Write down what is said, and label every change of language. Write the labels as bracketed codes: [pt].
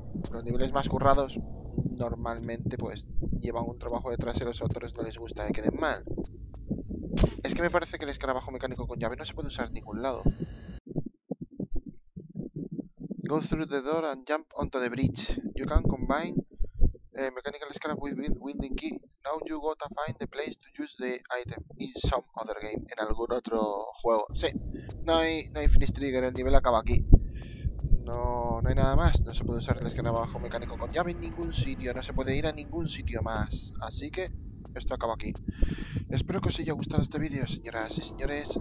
[es] Los niveles más currados normalmente pues llevan un trabajo detrás y a los autores no les gusta que queden mal. Es que me parece que el escarabajo mecánico con llave no se puede usar en ningún lado. [en] Go through the door and jump onto the bridge. You can combine mechanical scrap with winding key. Now you gotta find the place to use the item in some other game. [es] En algún otro juego. Sí, no hay Finish Trigger, el nivel acaba aquí. No hay nada más. No se puede usar el escarabajo mecánico con llave en ningún sitio. No se puede ir a ningún sitio más. Así que esto acaba aquí. Espero que os haya gustado este vídeo, señoras y señores.